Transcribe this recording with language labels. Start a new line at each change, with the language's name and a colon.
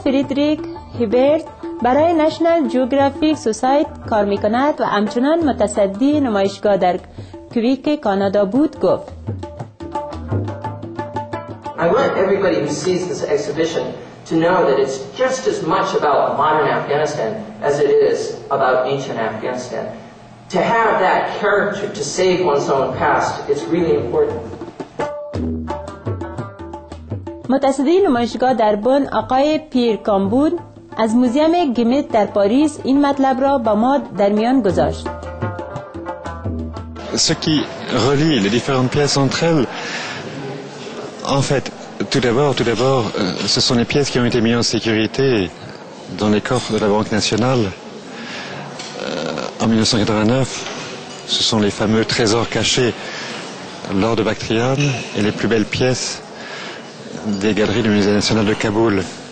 Persian: Friedrich Hibbert برای National Geographic Society کار میکند و همچنان متصدی نمایشگاه در کویک کانادا بود گفت.
English: I want everybody who sees this exhibition to know that it's just as much about modern Afghanistan as it is about ancient Afghanistan. To have that character to save one's own past is really important.
Persian: متصدی نمایشگاه در بن آقای پیر کامبون از موزیم گیمت در پاریس این مطلب را با ما در میان گذاشت.
French: Ce qui relie les différentes pièces entre elles, en fait, tout d'abord, ce sont les pièces qui ont été mises en sécurité dans les coffres de la Banque nationale en 1989. Ce sont les fameux trésors cachés, l'or de Bactrian et les plus belles pièces des galeries du Musée national de Kaboul.